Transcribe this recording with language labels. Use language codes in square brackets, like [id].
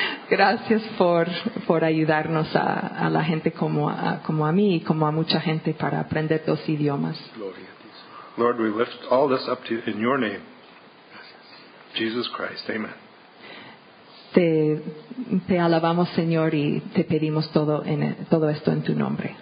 [es] Gracias por ayudarnos a la gente como a mí y como a mucha gente para aprender dos idiomas. [en] Lord, we lift all this up to you in your name. Jesus Christ, amen. [es] Te alabamos, Señor, y te pedimos todo esto en tu nombre.